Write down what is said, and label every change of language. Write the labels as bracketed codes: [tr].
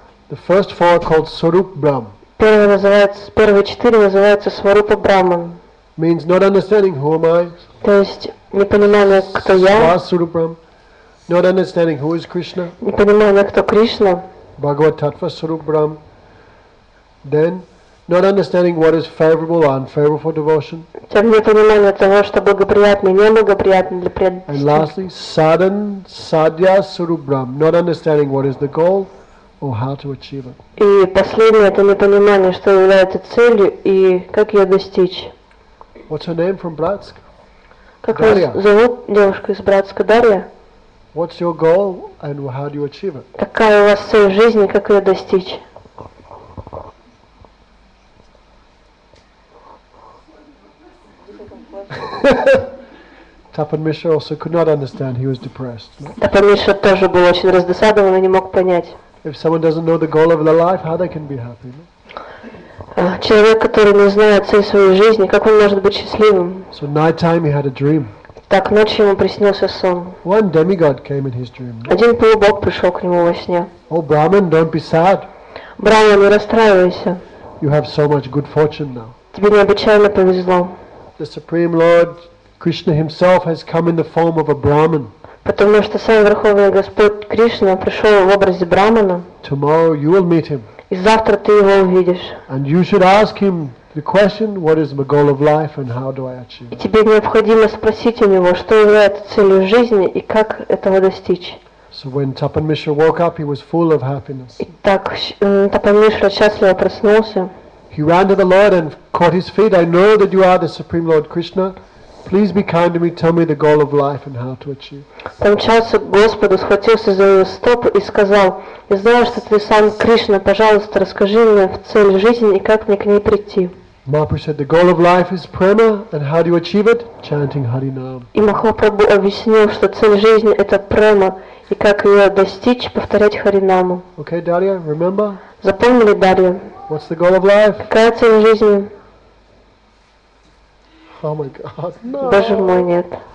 [en] The first four called Swarup Brahman. [ru] Первые четыре называются Сварупа Брахман. [en] Means not understanding who am I. [ru] То есть не понимание, кто я. [en] Свасурупрам. Not understanding who is Krishna. [ru] Не понимание, кто Кришна. [sa] Бхагаваттатва Сурупрам. [en] Then not understanding what is favorable or unfavorable for devotion. [ru] Тем не понимание того, что благоприятно и неблагоприятно для преданности. [en] And lastly, sadhan sadhya Сурупрам. Not understanding what is the goal or how to achieve it. [ru] И последнее это не понимание, что является целью и как ее достичь. [en] What's her name from Bratsk? [ru] Как вас зовут девушка из Братска, Дарья? [en] What's your goal and how do you achieve it? [ru] Какая у вас цель в жизни, как ее достичь? [en] Tapan Mishra also could not understand. He was depressed. [ru] Tapan Mishra тоже был очень раздосадован и не мог понять. [en] If someone doesn't know the goal of their life, how they can be happy? No? [ru] Человек, который не знает цель своей жизни, как он может быть счастливым? [en] So night time he had a dream. [ru] Так ночью ему приснился сон. [en] One demigod came in his dream. [ru] Один полубог пришел к нему во сне. [en] Oh, Brahman, don't be sad. [ru] Брахман, не расстраивайся. [en] You have so much good fortune now. [ru] Тебе необычайно повезло. [en] The Supreme Lord Krishna himself has come in the form of a Brahman. [ru] Потому что сам Верховный Господь Кришна пришел в образе Брахмана. [en] Tomorrow you will meet him. [ru] И завтра ты его увидишь. [en] And you should ask him the question, what is my goal of life and how do I achieve it? [ru] И тебе необходимо спросить у него, что является целью жизни и как этого достичь. [en] So when Tapan Mishra woke up, he was full of happiness. [ru] Итак, Тапан Мишра счастливо проснулся. [en] He ran to the Lord and caught his feet. I know that you are the Supreme Lord Krishna. Please be kind to me, tell me the goal of life and how to achieve. [ru] Помчался к Господу, схватился за его стопы и сказал: "Я знаю, что ты сам Кришна, пожалуйста, расскажи мне в цель жизни и как мне к ней прийти". [en] Mahaprabhu said, "The goal of life is prema, and how do you achieve it? Chanting Hari Nam". [ru] И Махапрабху объяснил, что цель жизни это према и как ее достичь, повторять Хари Наму. [en] Okay, Дарья, remember? [ru] Запомнили, Дарья? [en] What's the goal of life? [ru] Какая цель жизни? [en] Oh my God, no. [ru] Боже мой, нет.